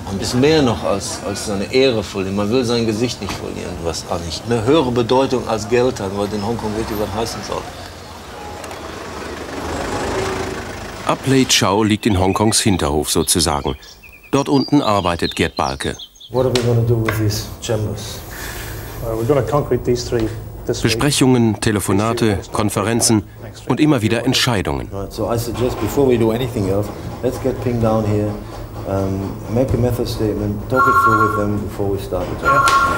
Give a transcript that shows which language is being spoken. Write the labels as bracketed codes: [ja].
[de] Und ist mehr noch als seine Ehre verlieren. Man will sein Gesicht nicht verlieren, was auch nicht. Eine höhere Bedeutung als Geld hat, was in Hongkong wirklich was heißen soll. Ab Lei Chau liegt in Hongkongs Hinterhof sozusagen. Dort unten arbeitet Gerd Balke. [en] What are we going to do with these chambers? We're going to concrete these three. [de] Besprechungen, Telefonate, Konferenzen und immer wieder Entscheidungen. [en] Right, so I suggest, before we do anything else, let's get Ping down here. Make a method statement, talk it through with them before we start the job.